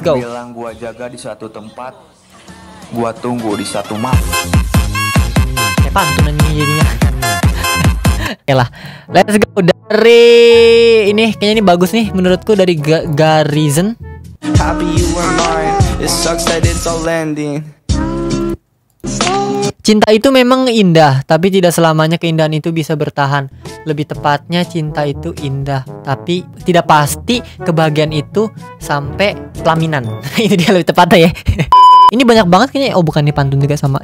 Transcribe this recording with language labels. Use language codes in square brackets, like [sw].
[id] yang go. Bilang gua jaga di satu tempat, gua tunggu di satu mak. Kayak pantun anjing jadinya. Oke lah, [en] let's go. [id] Dari ini kayaknya ini bagus nih menurutku, dari Garizen. [en] Happy you were mine. It sucks that it's all ending. [id] Cinta itu memang indah, tapi tidak selamanya keindahan itu bisa bertahan. Lebih tepatnya, cinta itu indah, tapi tidak pasti kebahagiaan itu sampai pelaminan. Itu dia lebih tepatnya ya. Ini banyak banget kayaknya. Oh bukan, ini pantun juga sama.